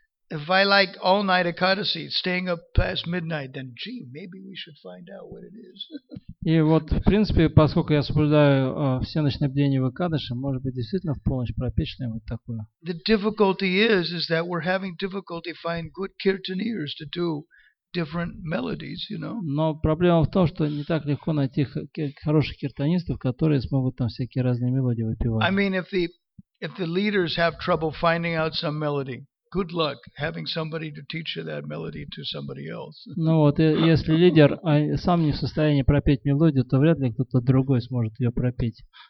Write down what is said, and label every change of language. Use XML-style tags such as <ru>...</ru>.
<en>If I like all night Ekadasi, staying up past midnight, then gee, maybe we should find out what it is.</en> <ru>И вот, в принципе, поскольку я соблюдаю все ночные бдения в Экадаши, может быть, действительно в полночь пропечное вот такое.</ru> <en>The difficulty is that we're having difficulty finding good kirtaniers to do different melodies, you know.</en> <ru>Но проблема в том, что не так легко найти хороших киртанистов, которые смогут там всякие разные мелодии выпевать.</ru> <en>I mean, if the leaders have trouble finding out some melody, good luck having somebody to teach you that melody to somebody else.</en> <ru>Ну вот, если лидер сам не в состоянии пропеть мелодию, то вряд ли кто-то другой сможет ее пропеть.</ru>